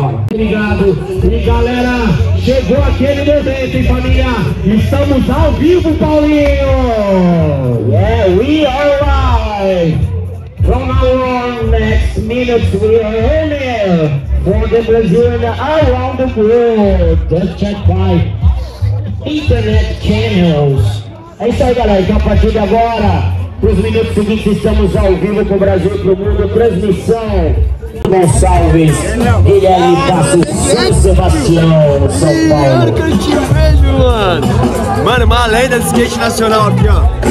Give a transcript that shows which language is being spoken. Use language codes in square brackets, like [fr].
[pt] Obrigado! E galera, chegou aquele momento, hein, família! Estamos ao vivo, Paulinho! [en] Yeah, we are live! From now on, next minute, we are on air for the Brazil and around the world. Just check by internet channels. [pt] É isso aí, galera. Então, a partir de agora, pros minutos seguintes, estamos ao vivo com o Brasil e pro mundo. Transmissão. Gonçalves, Guilherme Passos, São Sebastião, São Paulo. Olha que eu te vejo, mano. Mano, uma lenda do skate nacional aqui, ó.